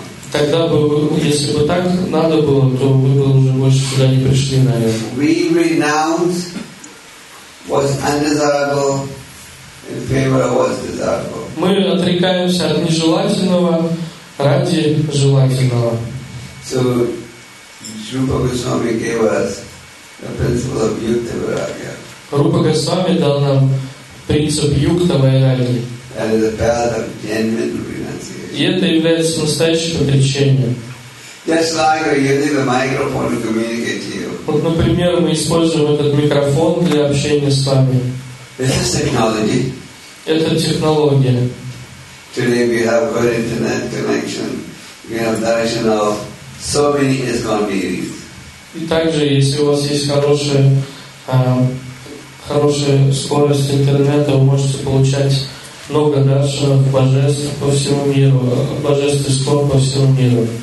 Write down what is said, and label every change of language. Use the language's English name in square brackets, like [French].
[Russian] Тогда бы, если бы так надо было, то вы бы уже больше сюда не пришли, наверное. [English] What's undesirable in favor of what's desirable. [Russian] Мы отрекаемся от нежелательного ради желательного. [English] So, Rupa Goswami gave us the principle of Yukta Vairagya. [Russian] Rupa Goswami дал нам принцип Юкта Вайраги. [English] That is the path of genuine renunciation. [Russian] И это является настоящим отречением. [English] Just like we're using the microphone to communicate to you. [Russian] Вот, например, мы используем этот микрофон для общения с вами. [English] This is technology. [Russian] Это технология. [English] Today we have good internet connection. We have darshan of so many ISKCON meetings. [Russian] И также, если у вас есть хорошая скорость интернета, вы можете получать много даршанов божеств по всему миру, божеств ISKCON по всему миру.